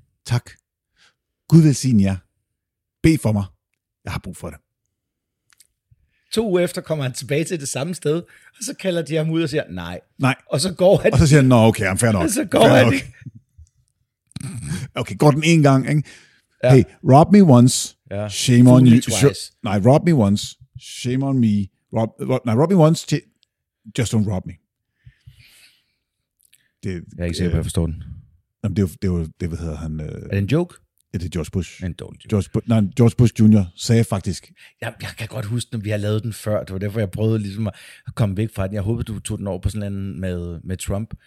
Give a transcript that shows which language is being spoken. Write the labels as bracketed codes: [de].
[da] Tak. Gud velsigne jer. Be for mig. Jeg har brug for det. 2 uger efter kommer han tilbage til det samme sted, og så kalder de ham ud og siger, nej. Nej. Og så går han... Og så siger han, nå, okay, fair nok. Og så går fair han... Nok. Okay, går den en gang, ikke? [en] Ja. Hey, rob me once, ja. Shame on you. [da] Nej, [en] rob me once, shame on me. Rob me once, just don't rob me. [da] Jeg er ikke sikker på, at jeg forstår den. Jamen, det hvad hedder han... Er det en joke? Ja, det er George Bush. En dårlig joke. George Bush Jr. sagde faktisk... Jamen, jeg kan godt huske, når vi har lavet den før. Det var derfor, jeg prøvede ligesom at komme væk fra den. Jeg håber, du tog den over på sådan en med Trump.